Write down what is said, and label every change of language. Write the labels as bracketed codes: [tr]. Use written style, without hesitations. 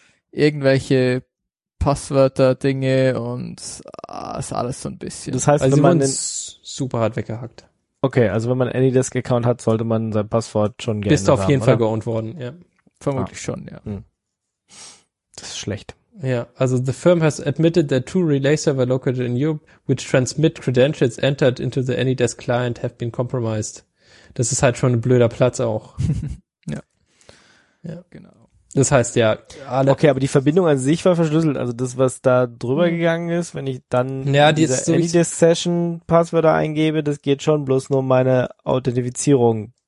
[de] Irgendwelche Passwörter-Dinge und ist alles so ein bisschen. Das heißt, also wenn man super hart weggehackt. Okay, also wenn man Anydesk-Account hat, sollte man sein Passwort schon geändert haben, bist du auf jeden Fall geowned worden, ja. Vermutlich schon, ja. Das ist schlecht. Ja, also [en] the firm has admitted that two relay server located in Europe, which transmit credentials entered into the Anydesk client, have been compromised. [de] Das ist halt schon ein blöder Platz auch. Ja. Ja, genau. Das heißt ja, alle. Okay, aber die Verbindung an sich war verschlüsselt. Also das, was da drüber gegangen ist, wenn ich dann diese Anydesk-Session-Passwörter eingebe, das geht schon, bloß nur meine Authentifizierung.